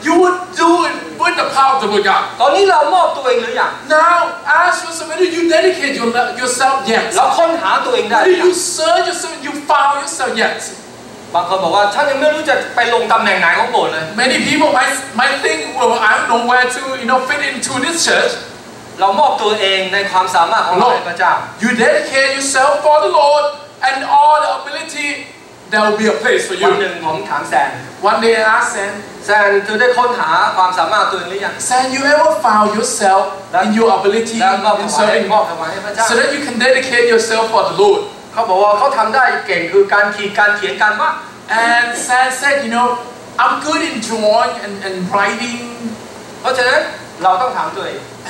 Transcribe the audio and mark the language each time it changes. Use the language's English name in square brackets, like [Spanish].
[English] You will do it with the power of the Lord God. Now, as for some of you dedicate yourself yet. Did you search yourself? You found yourself yet? Many people might think, well, I don't know where to, you know, fit into this church. [Thai] เรามอบตัวเองในความสามารถของเราพระเจ้า [English] You dedicate yourself for the Lord and all the ability there will be a place for you [Thai] วันหนึ่งผมถามแซน [English] One day I ask Sam [Thai] Sam คุณได้ค้นหาความสามารถตัวเองหรือยัง [English] Sam you ever found yourself in your ability [Thai] แล้วมอบถวายให้พระเจ้า [English] So that you can dedicate yourself for the Lord [Thai] เขาบอกว่าเขาทำได้เก่งคือการขีดการเขียนการวาด [English] And Sam said you know I'm good in drawing and writing [Thai] เพราะฉะนั้นเราต้องถามตัวเอง